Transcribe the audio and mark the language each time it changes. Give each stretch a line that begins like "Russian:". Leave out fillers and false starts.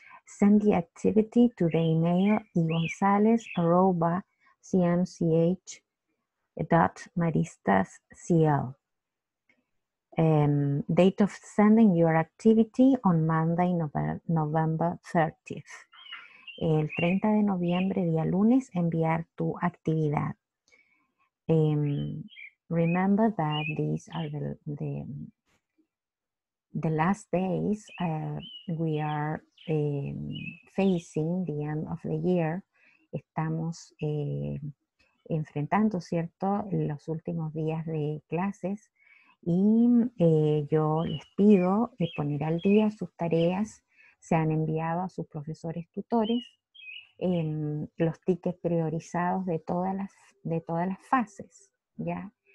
English: Send the activity to the email gonzalez@cmch.maristascl. Date of sending your activity on Monday, November 30th.
Spanish: El 30 de noviembre, día lunes, enviar tu actividad.
English: Remember that these are the last days we are facing the end of the year.
Spanish: Estamos enfrentando, ¿cierto?, los últimos días de clases. Y yo les pido de poner al día sus tareas. Se han enviado a sus profesores tutores los tickets priorizados de todas las fases, ¿ya?